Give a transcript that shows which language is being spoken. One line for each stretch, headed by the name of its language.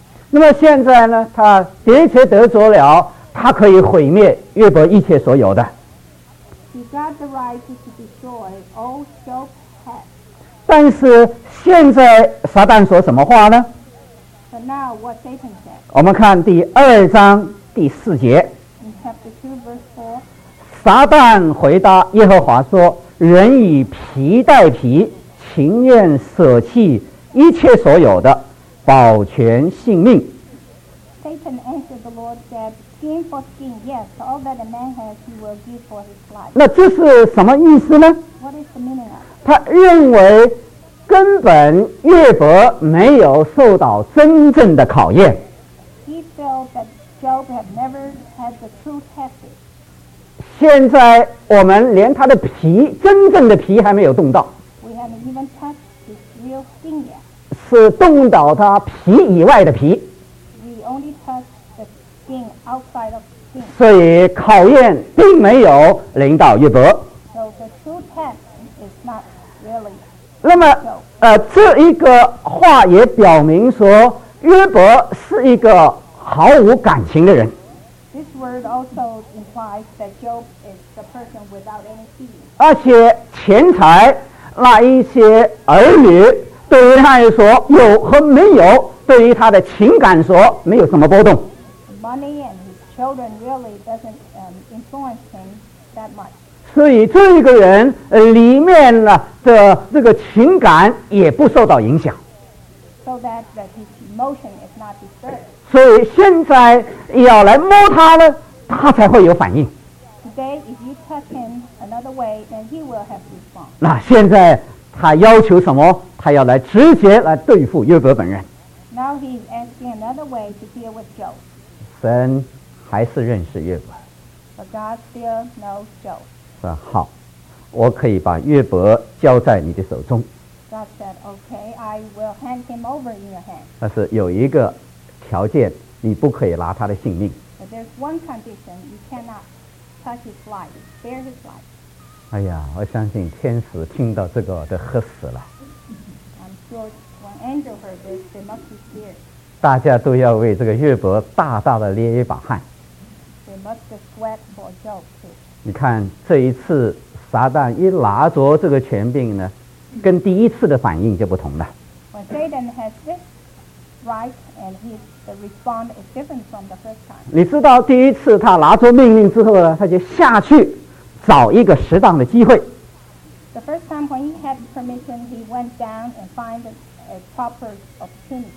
Chinese: 那么现在呢，他的确得着了，他可以毁灭约伯一切所有的。
English: He got the right to destroy all Job's head.
Chinese: 但是现在撒旦说什么话呢？
English: But now what Satan said.
Chinese: 我们看第二章第四节。
English: In chapter 2, verse 4.
Chinese: 撒旦回答耶和华说，人以皮代皮，情愿舍弃一切所有的，保全性命。
English: Satan answered the Lord, said, "Skin for skin, yes, all that a man has, he will give for his life."
Chinese: 那这是什么意思呢？
English: What is the meaning of?
Chinese: 他认为根本约伯没有受到真正的考验。
English: He felt that Job had never had the true test.
Chinese: 现在我们连他的皮，真正的皮还没有动到。
English: We haven't even touched his real skin yet.
Chinese: 是动到他皮以外的皮。
English: We only touch the skin outside of skin.
Chinese: 所以考验并没有临到约伯。
English: So the true test is not really.
Chinese: 那么，这一个话也表明说，约伯是一个毫无感情的人。
English: This word also implies that Job is the person without any feelings.
Chinese: 而且钱财。那一些儿女对于他来说有和没有，对于他的情感说没有什么波动。
English: Money and his children really doesn't influence him that much.
Chinese: 所以这个人里面的这个情感也不受到影响。
English: So that his emotion is not disturbed.
Chinese: 所以现在要来摸他呢，他才会有反应。
English: Today, if you touch him another way, then he will have response.
Chinese: 那现在他要求什么？他要来直接来对付约伯本人。
English: Now he's asking another way to deal with Job.
Chinese: 神还是认识约伯。
English: But God still knows Job.
Chinese: 说好，我可以把约伯交在你的手中。
English: God said, "Okay, I will hand him over in your hand."
Chinese: 但是有一个条件，你不可以拿他的性命。
English: But there's one condition: you cannot touch his life, spare his life.
Chinese: 哎呀，我相信天使听到这个都喝死了。
English: I'm sure when angel heard this, they must be scared.
Chinese: 大家都要为这个约伯大大的捏一把汗。
English: They must have sweat for Job too.
Chinese: 你看这一次撒旦一拿着这个权柄呢，跟第一次的反应就不同了。
English: When Satan has this right and his the response is different from the first time.
Chinese: 你知道第一次他拿着命令之后呢，他就下去找一个适当的机会。
English: The first time when he had permission, he went down and find a proper opportunity.